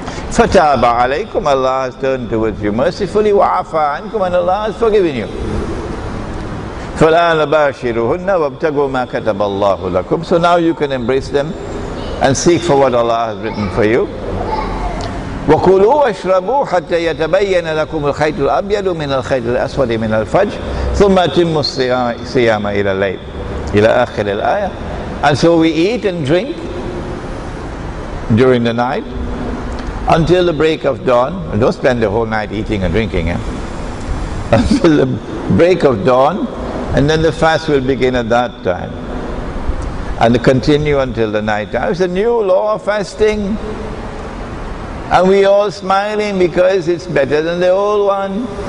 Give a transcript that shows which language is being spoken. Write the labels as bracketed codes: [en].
[ar] فَتَابَ عَلَيْكُمْ [en] Allah has turned towards you mercifully [ar] وَعَفَى عَنْكُمْ [en] and Allah has forgiven you. [ar] فَالْآنَ بَاشِرُهُنَّ وَابْتَقُوا مَا كَتَبَ اللَّهُ لَكُمْ [en] So now you can embrace them and seek for what Allah has written for you. [ar] وَكُلُوا وَاشْرَبُوا حَتَّى يَتَبَيَّنَ لَكُمُ الْخَيْطُ الْأَبْيَلُ مِنَ الْخَيْطِ الْأَسْوَدِ مِنَ الْفَجْرِ ثُمَّ أَتِمُّوا الصِّيَامَ إِلَى اللَّيْلِ إِلَى آخِرِ الْآيَةِ [en] And so we eat and drink during the night until the break of dawn. Don't spend the whole night eating and drinking. Until the break of dawn, and then the fast will begin at that time and continue until the night time. It's a new law of fasting. And we all smiling because it's better than the old one.